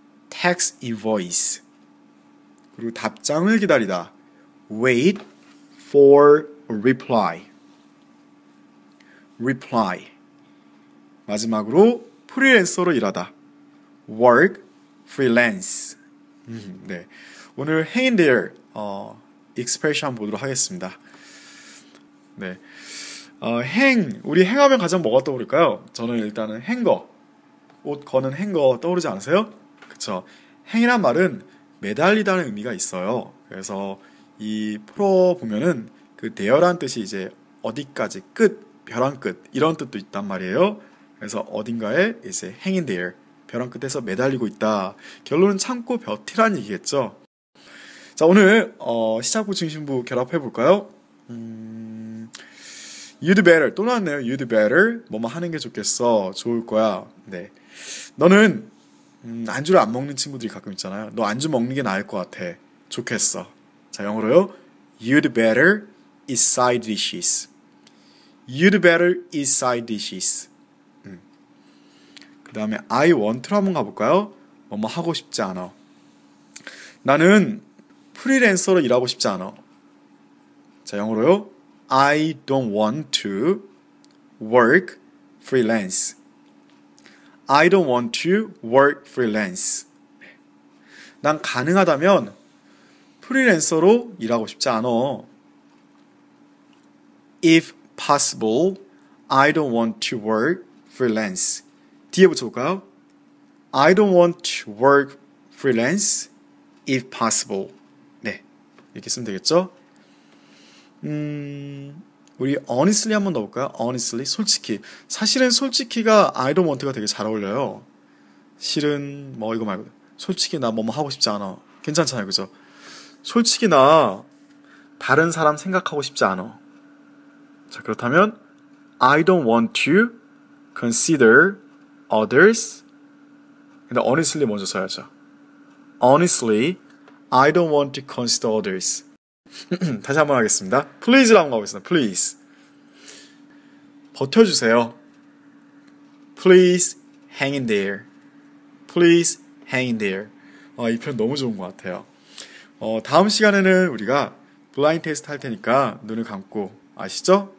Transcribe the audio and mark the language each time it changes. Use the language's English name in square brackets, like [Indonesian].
[English] Tax invoice. [Korean] 그리고 답장을 기다리다. [English] Wait for a reply. Reply. [Korean] 마지막으로 프리랜서로 일하다. [English] Work freelance. 네. [Korean] 오늘 hang in there expression 보도록 하겠습니다. 네, hang, 우리 hang하면 가장 뭐가 떠오를까요? 저는 일단은 hanger, 옷 거는 hanger 떠오르지 않으세요? 그쵸. hang이란 말은 매달리다는 의미가 있어요. 그래서 이 풀어보면은 그 there란 뜻이 이제 어디까지, 끝, 벼랑 끝 이런 뜻도 있단 말이에요. 그래서 어딘가에 이제 hang in there, 벼랑 끝에서 매달리고 있다. 결론은 참고 버티란 얘기겠죠. 자, 오늘 시작부 중심부 결합해 볼까요? You'd better, 또 나왔네요. You'd better 뭐뭐 하는 게 좋겠어, 좋을 거야. 네, 너는 안주를 안 먹는 친구들이 가끔 있잖아요. 너 안주 먹는 게 나을 것 같아, 좋겠어. 자, 영어로요. [English] You'd better eat side dishes. You'd better eat side dishes. [Korean] 그 다음에 I want로 한번 가볼까요? 뭐뭐 하고 싶지 않아. 나는 프리랜서로 일하고 싶지 않아. 자, 영어로요. [English] I don't want to work freelance. I don't want to work freelance. [Korean] 난 가능하다면 프리랜서로 일하고 싶지 않아. [English] If possible, I don't want to work freelance. [Korean] 뒤에 붙여볼까요? [English] I don't want to work freelance if possible. [Korean] 이렇게 쓰면 되겠죠? 우리 honestly 한번 넣어볼까요? honestly, 솔직히. 사실은 솔직히가 I don't want 가 되게 잘 어울려요. 실은 뭐 이거 말고 솔직히 나 뭐뭐 하고 싶지 않아, 괜찮잖아요, 그죠? 솔직히 나 다른 사람 생각하고 싶지 않아. [English] 자, 그렇다면 I don't want to consider others. [Korean] 근데 honestly 먼저 써야죠. [English] honestly, I don't want to consider others. [Korean] 다시 한번 하겠습니다. Please 라고 하겠습니다. Please. 버텨주세요. [English] Please hang in there. Please hang in there. [Korean] 이 표현 너무 좋은 것 같아요. 다음 시간에는 우리가 블라인드 테스트 할 테니까 눈을 감고, 아시죠?